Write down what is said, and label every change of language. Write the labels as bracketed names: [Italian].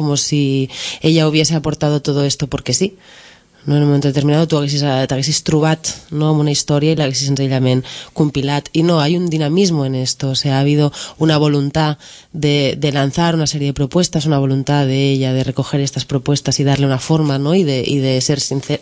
[Spanish] Como si ella hubiese aportado todo esto porque sí, ¿no? [Catalan] En un momento determinado tú t'haguessis trobat, ¿no?, amb una història i l'haguessis senzillament compilat. [Spanish] I no, hay un dinamismo en esto. O sea, ha habido una voluntad de lanzar una serie de propuestas, una voluntad de ella de recoger estas propuestas y darle una forma, ¿no?, [Catalan] i de ser sincer.